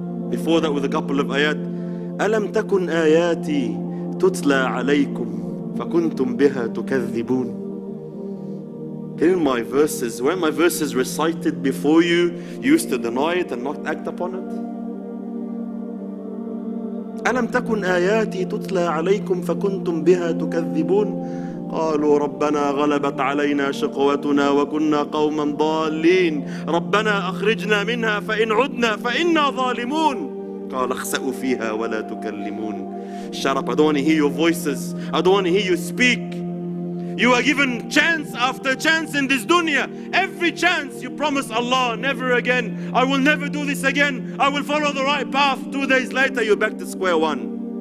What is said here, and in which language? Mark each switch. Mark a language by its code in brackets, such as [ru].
[en] Before that, with a couple of ayat, [ar] أَلَمْ تَكُنْ آيَاتِي تُتْلَى عَلَيْكُمْ فَكُنْتُمْ بِهَا تُكَذِّبُونَ. [en] Didn't my verses, weren't my verses recited before you, you used to deny it and not act upon it? [ar] أَلَمْ تَكُنْ آيَاتِي تُتْلَى عَلَيْكُمْ فَكُنْتُمْ بِهَا تُكَذِّبُونَ. قالوا ربنا غلبت علينا شقوتنا وكنا قوما ضالين ربنا أخرجنا منها فإن عدنا فإنا ظالمون. قال اخسأوا فيها ولا تكلمون. [en] Shut up, I don't want to hear your voices. I don't want to hear you speak. You are given chance after chance in this dunya. Every chance you promise Allah, never again. I will never do this again. I will follow the right path. 2 days later, you're back to square one.